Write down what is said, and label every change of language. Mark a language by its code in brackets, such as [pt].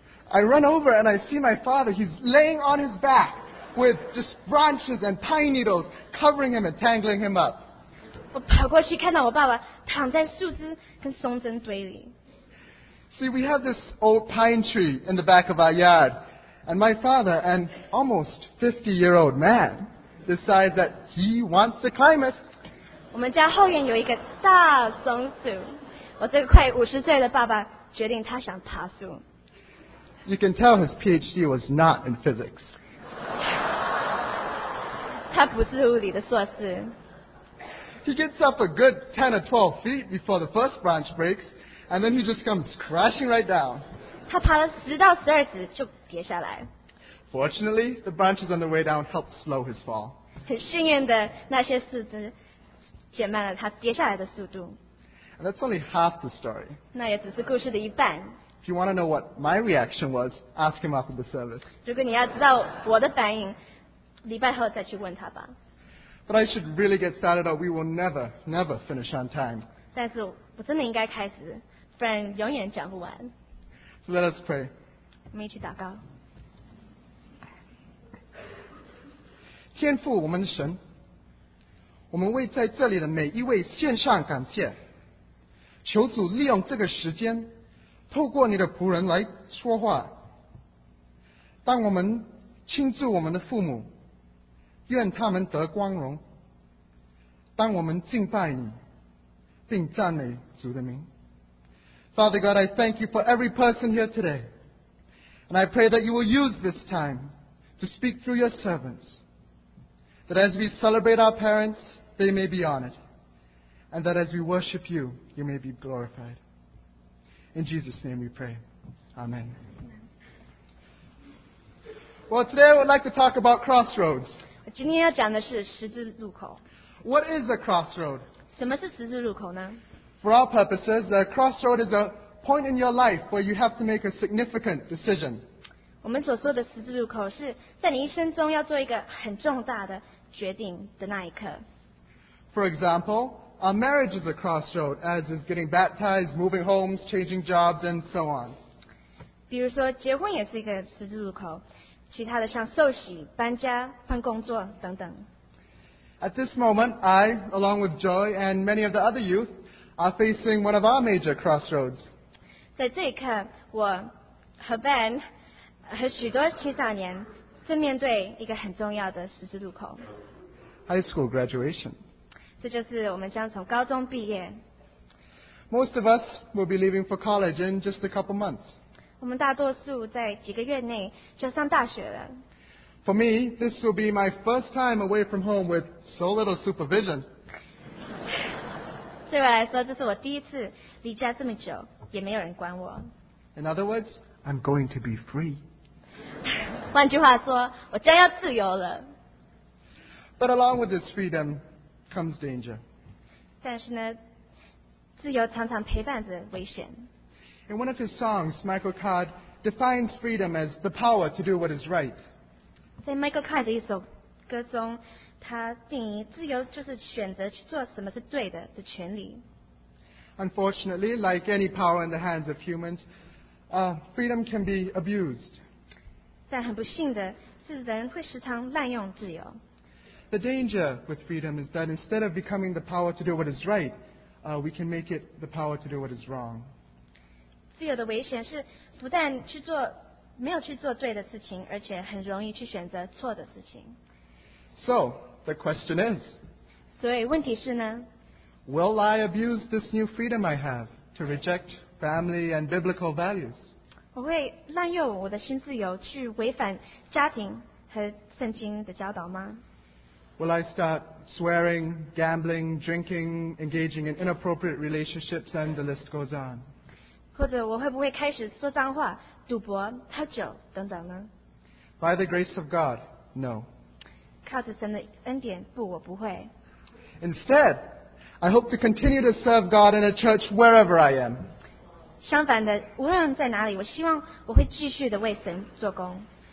[en] I run over and I see my father. He's laying on his back with just branches and pine needles covering him and tangling him up. [zh] 我跑过去看到我爸爸躺在树枝跟松针堆里。 [en] See, we have this old pine tree in the back of our yard, and my father, an almost 50-year-old man, decides that he wants to climb it. [zh] 我们家后院有一个大松树，我这个快50岁的爸爸决定他想爬树。 [en] You can tell his PhD was not in physics. [zh] 他不是物理的硕士。 [en] He gets up a good 10 or 12 feet before the first branch breaks, and then he just comes crashing right down. [zh] 他爬了10到12指就跌下来。 [en] Fortunately, the branches on the way down helped slow his fall. [zh] 很幸运的，那些树枝。减慢了他跌下来的速度。 [en] And that's only half the story. [zh] 那也只是故事的一半。 [en] If you want to know what my reaction was, ask him after the service. [zh] 如果你要知道我的反应，礼拜后再去问他吧。 [en] But I should really get started or we will never, never finish on time. [zh] 但是我真的应该开始，不然永远讲不完。 [en] So let us pray. [zh] 我们一起祷告。天父，我们的神。我们为在这里的每一位献上感谢，求主利用这个时间，透过你的仆人来说话。当我们庆祝我们的父母，愿他们得光荣。当我们敬拜你，并赞美主的名。 [en] Father God, I thank you for every person here today, and I pray that you will use this time to speak through your servants, that as we celebrate our parents,they may be honored, and that as we worship you, you may be glorified. In Jesus' name we pray. Amen. Well, today I would like to talk about crossroads. [zh] 今天要讲的是十字路口。 [en] What is a crossroad? [zh] 什么是十字路口呢? [en] For our purposes, a crossroad is a point in your life where you have to make a significant decision. [zh] 我们所说的十字路口是在你一生中要做一个很重大的决定的那一刻。 [en] For example, our marriage is a crossroad, as is getting baptized, moving homes, changing jobs, and so on. [zh] 比如说，结婚也是一个十字路口，其他的像受洗、搬家、换工作等等。 [en] At this moment, I, along with Joy and many of the other youth, are facing one of our major crossroads. [zh] 在这一刻，我和 Ben 和许多青少年正面对一个很重要的十字路口。 [en] High school graduation. [zh] 这就是我们将从高中毕业。 [en] Most of us will be leaving for college in just a couple months. [zh] 我们大多数在几个月内就上大学了。 [en] For me, this will be my first time away from home with so little supervision. [zh] 对我来说，这是我第一次离家这么久，也没有人管我。 [en] In other words, I'm going to be free. [zh] 换句话说，我将要自由了。 [en] But along with this freedom comes danger. [zh] 但是呢，自由常常陪伴着危险。 [en] In one of his songs, Michael Card defines freedom as the power to do what is right. [zh] 在 Michael Card 的一首歌中，他定义自由就是选择去做什么是对的的权利。 [en] Unfortunately, like any power in the hands of humans, freedom can be abused. [zh] 但很不幸的是，人会时常滥用自由。 [en] The danger with freedom is that instead of becoming the power to do what is right,we can make it the power to do what is wrong. [zh] 自由的危险是不但去做没有去做对的事情，而且很容易去选择错的事情。 [en] So, the question is, [zh] 所以问题是呢， [en] Will I abuse this new freedom I have to reject family and biblical values? [zh] 我会滥用我的新自由去违反家庭和圣经的教导吗？ [en] Will I start swearing, gambling, drinking, engaging in inappropriate relationships, and the list goes on? [zh] 或者我会不会开始说脏话、赌博、喝酒等等呢？ [en] By the grace of God, no. [zh] 靠着神的恩典，不，我不会。 [en] Instead, I hope to continue to serve God in a church wherever I am. [zh] 相反的，无论在哪里，我希望我会继续的为神做工。